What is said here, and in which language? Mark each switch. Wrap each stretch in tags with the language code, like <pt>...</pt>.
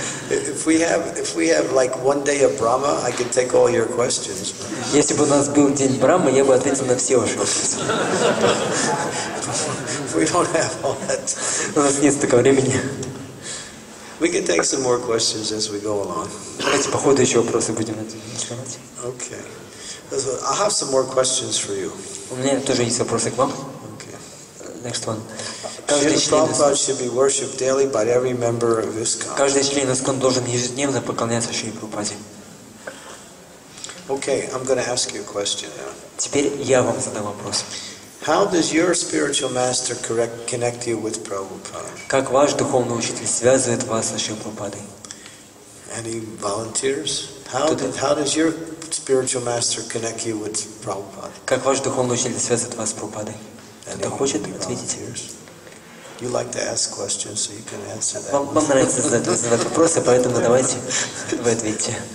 <en>If we have like one day of Brahma, I can take all your questions.</en> <ru>Если бы у нас был день Брамы, я бы ответил на все ваши вопросы.</ru> <en>We don't have all that.</en> <ru>У нас нет столько времени.</ru> <en>We can take some more questions as we go along.</en> <ru>Давайте по ходу еще вопросы будем отвечать.</ru> <en>Okay. So I have some more questions for you.</en> <ru>У меня тоже есть вопросы к вам.</ru> <en>Next one. Prabhupada should be worshipped daily by every member of ISKCON.</en> <ru>Каждый член ISKCON должен ежедневно поклоняться Шри Прабхупаде.</ru> <en>Okay, I'm going to ask you a question now.</en> <ru>Теперь я вам задам вопрос.</ru> <en>How does your spiritual master connect you with Prabhupada?</en> <ru>Как ваш духовный учитель связывает вас с Шри Прабхупадой?</ru> <en>Any volunteers? How does your spiritual master connect you with Prabhupada?</en> <ru>Как ваш духовный учитель связывает вас с Прабхупадой? Кто-то хочет ответить?</ru> <en>You like to ask questions, so you can answer that.</en> <ru>Вам нравится задавать вопросы, поэтому давайте вы ответите.</ru>